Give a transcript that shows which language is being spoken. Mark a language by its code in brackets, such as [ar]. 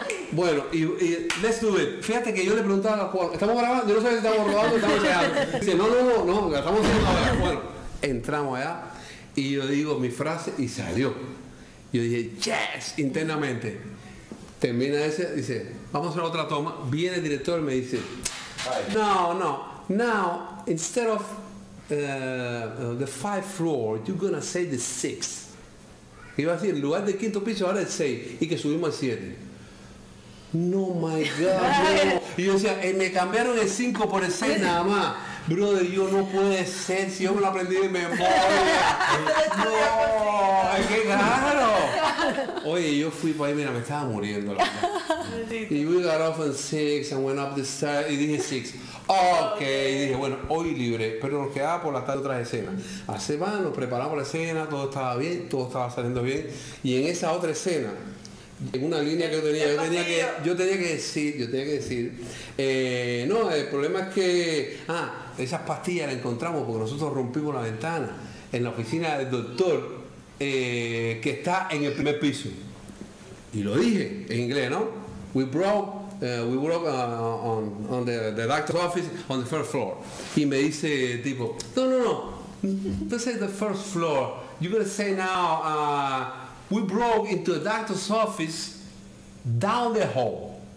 [es] Bueno, y [en] let's do it. [es] Fíjate que yo le preguntaba a los jugadores, ¿estamos grabando? Yo no sé si estamos grabando, estamos llegando. Dice, no, estamos haciendo ahora. Bueno, entramos allá y yo digo mi frase y salió. Yo dije, [en] yes, [es] internamente. Termina ese, dice, vamos a hacer otra toma. Viene el director y me dice, no, [en] now, instead of the 5th floor, you're gonna say the 6th. [es] Iba a decir, en lugar del quinto piso, ahora el 6, y que subimos al 7. No, [en] my God, [es] no. Y yo decía, me cambiaron el 5 por el 6 nada más. Brother, yo no puede ser, si yo me lo aprendí de memoria. No, ay, qué caro. Oye, yo fui para ahí, mira, me estaba muriendo. [en] Y we got off on 6 and went up the stairs. [es] Y dije 6. Ok, y dije, bueno, hoy libre. Pero nos quedaba por la tarde otra escena. Hace semana nos preparamos la escena, todo estaba bien, todo estaba saliendo bien. Y en esa otra escena, en una línea que yo tenía, yo tenía que decir, no, el problema es que, esas pastillas las encontramos porque nosotros rompimos la ventana en la oficina del doctor, que está en el primer piso. Y lo dije en inglés, ¿no? [en] We broke on the doctor's office on the first floor. [es] Y me dice tipo, no. [en] This is the first floor. You're gonna say now, we broke into the doctor's office down the hall.